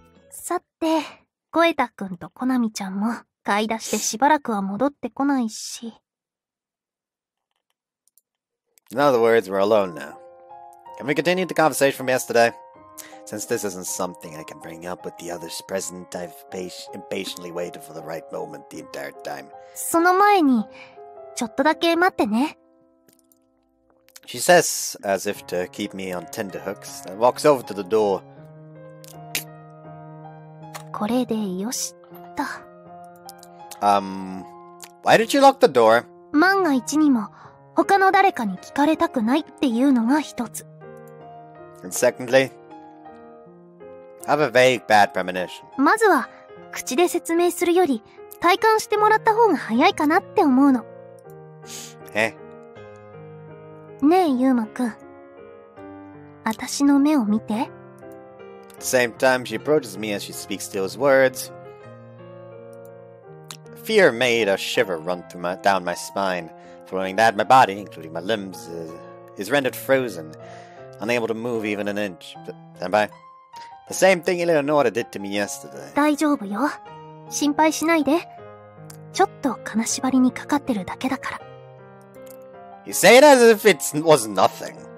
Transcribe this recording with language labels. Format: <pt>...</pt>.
<ja>さて, Koeta-kun to Konami-chan も 買い出してしばらくは戻ってこないし。</ja> <en>In other words, we're alone now. Can we continue the conversation from yesterday? Since this isn't something I can bring up with the others present, I've impatiently waited for the right moment the entire time.</en> <ja>その前に、ちょっとだけ待ってね。</ja> <en>She says, as if to keep me on tenterhooks, and walks over to the door.</en> <ja>これでよした。</ja> <en>Why did you lock the door?</en> <ja>万が一にも、他の誰かに聞かれたくないっていうのが一つ。</ja> <en>And secondly? I have a vague bad premonition.</en> <ja>まずは、口で説明するより、体感してもらった方が早いかなって思うの。 Eh? ねえ、ユーマくん。私の目を見て。</ja> <en>At the same time, she approaches me as she speaks those words. Fear made a shiver run through down my spine. Following that, my body, including my limbs, is rendered frozen, unable to move even an inch. Senpai? The same thing Eleonora did to me yesterday.</en> <ja>大丈夫よ。心配しないで。ちょっと金縛りにかかってるだけだから。</ja> <en>You say it as if it was nothing.</en>